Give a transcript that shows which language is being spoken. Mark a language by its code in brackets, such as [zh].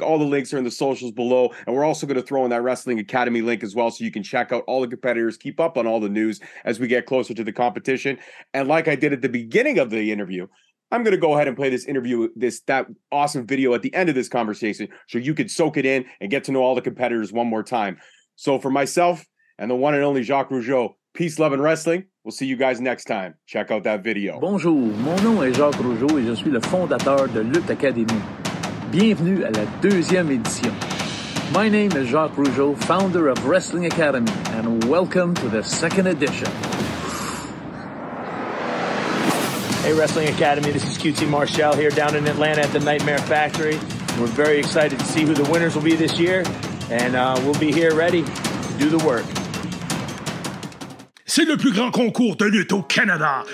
[en] All the links are in the socials below. And we're also going to throw in that Wrestling Academy link as well, so you can check out all the competitors, keep up on all the news as we get closer to the competition. And like I did at the beginning of the interview, I'm going to go ahead and play this interview, that awesome video at the end of this conversation, so you can soak it in and get to know all the competitors one more time. So for myself and the one and only Jacques Rougeau, peace, love, and wrestling. We'll see you guys next time. Check out that video. [fr] Bonjour, mon nom est Jacques Rougeau et je suis le fondateur de Lutte Academy. Bienvenue à la deuxième édition. [en] My name is Jacques Rougeau, founder of Wrestling Academy, and welcome to the second edition. Hey, Wrestling Academy, this is QT Marshall here down in Atlanta at the Nightmare Factory. We're very excited to see who the winners will be this year, and we'll be here ready to do the work. [fr] C'est le plus grand concours de lutte au Canada.